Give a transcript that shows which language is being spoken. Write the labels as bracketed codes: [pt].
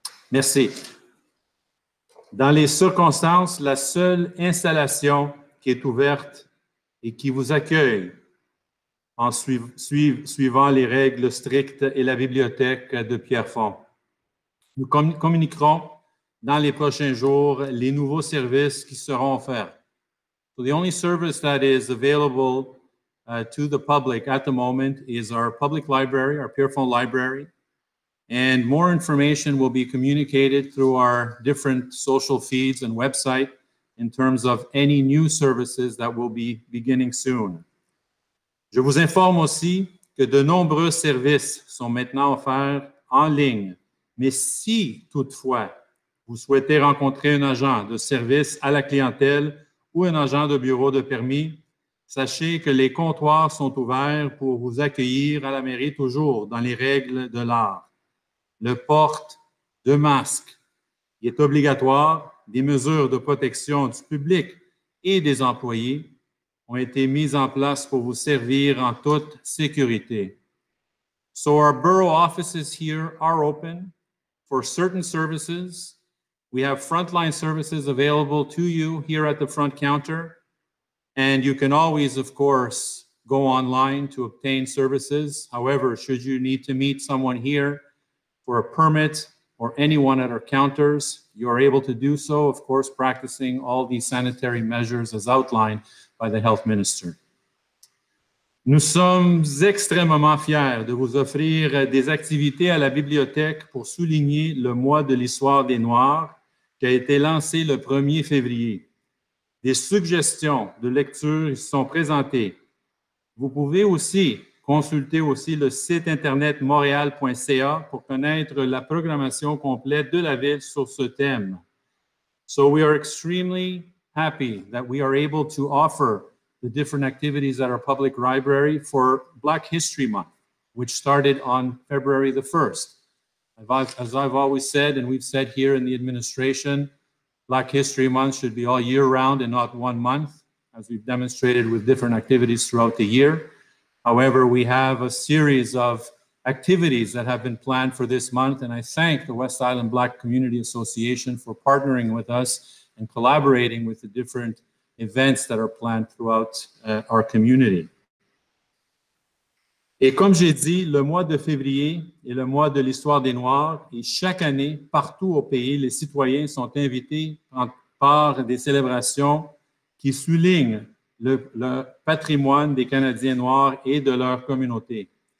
[fr] Merci. Dans les circonstances, la seule installation qui est ouverte et qui vous accueille en suivant les règles strictes est la bibliothèque de Pierrefonds. Nous communiquerons dans les prochains jours les nouveaux services qui seront offerts. [en] So the only service that is available to the public at the moment is our public library, our Pierrefonds library. And more information will be communicated through our different social feeds and website in terms of any new services that will be beginning soon. [fr] Je vous informe aussi que de nombreux services sont maintenant offerts en ligne. Mais si toutefois vous souhaitez rencontrer un agent de service à la clientèle ou un agent de bureau de permis, sachez que les comptoirs sont ouverts pour vous accueillir à la mairie toujours dans les règles de l'art. Le port de masque est obligatoire. Des mesures de protection du public et des employés ont été mises en place pour vous servir en toute sécurité. [en] So our borough offices here are open for certain services. We have frontline services available to you here at the front counter. And you can always, of course, go online to obtain services. However, should you need to meet someone here, for a permit or anyone at our counters, you are able to do so, of course, practicing all these sanitary measures as outlined by the health minister. [fr] Nous sommes extrêmement fiers de vous offrir des activités à la bibliothèque pour souligner le mois de l'histoire des Noirs qui a été lancé le 1er février. Des suggestions de lecture sont présentées. Vous pouvez aussi consultez aussi le site internet montréal.ca pour connaître la programmation complète de la ville sur ce thème. [en] So we are extremely happy that we are able to offer the different activities at our public library for Black History Month, which started on February the 1st. As I've always said, and we've said here in the administration, Black History Month should be all year round and not one month, as we've demonstrated with different activities throughout the year. However, we have a series of activities that have been planned for this month, and I thank the West Island Black Community Association for partnering with us and collaborating with the different events that are planned throughout our community. [fr] Et comme j'ai dit, le mois de février est le mois de l'histoire des Noirs, et chaque année, partout au pays, les citoyens sont invités par des célébrations qui soulignent le patrimoine des Canadiens noirs et de leur communauté.